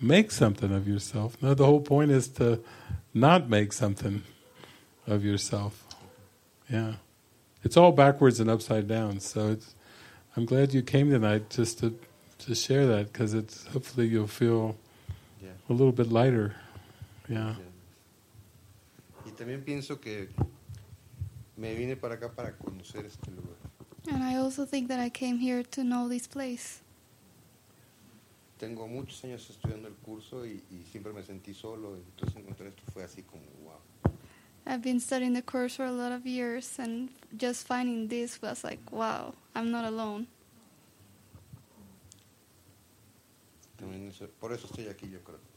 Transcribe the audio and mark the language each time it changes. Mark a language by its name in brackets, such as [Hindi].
[English] Make something of yourself. No, the whole point is to not make something of yourself. Yeah. It's all backwards and upside down. So I'm glad you came tonight just to share that, because hopefully you'll feel a little bit lighter. Yeah. [Spanish] Y también pienso que me vine para acá para conocer este lugar. [English] And I also think that I came here to know this place. [Spanish] Tengo muchos años estudiando el curso y siempre me sentí solo. Entonces encontrar esto fue así como wow. [English] I've been studying the course for a lot of years, and just finding this was like wow. I'm not alone. [Spanish] También eso, por eso estoy aquí, yo creo.